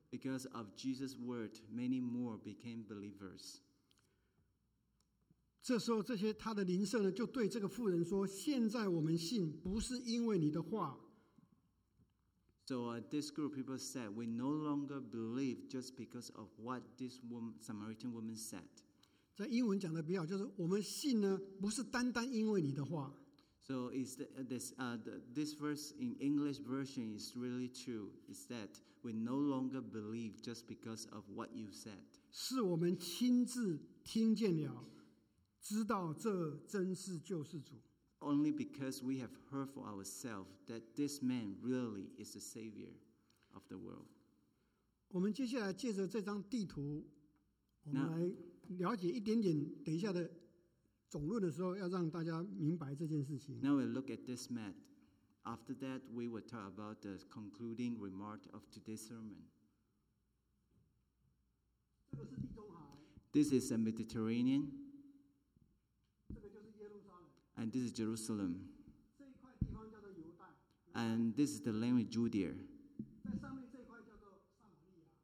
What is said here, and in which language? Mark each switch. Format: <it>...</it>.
<en>Because of Jesus' word, many more became believers.</en> <zh>这时候这些他的邻舍呢，就对这个妇人说，现在我们信，不是因为你的话。</zh> <en>So this group of people said, we no longer believe just because of what this woman, Samaritan woman said.</en> <zh>在英文讲的比较就是，我们信呢，不是单单因为你的话。</zh> <en>So is this, this verse in English version is really true. It's that we no longer believe just because of what you said.</en> <zh>是我们亲自听见了，知道这真是救世主。</zh> <en>Only because we have heard for ourselves that this man really is the savior of the world.</en> <zh>我们接下来借着这张地图，我们来了解一点点。等一下的。总论的时候要让大家明白这件事情。</zh> <en>Now we look at this map. After that, we will talk about the concluding remark of today's sermon.</en> <zh>这个是地中海。</zh> <en>This is the Mediterranean.</en> <zh>这个就是耶路撒冷。</zh> <en>And this is Jerusalem.</en> <zh>这一块地方叫做犹大。</zh> <en>And this is the land of Judea.</en> <zh>在上面这一块叫做撒玛利亚。</zh>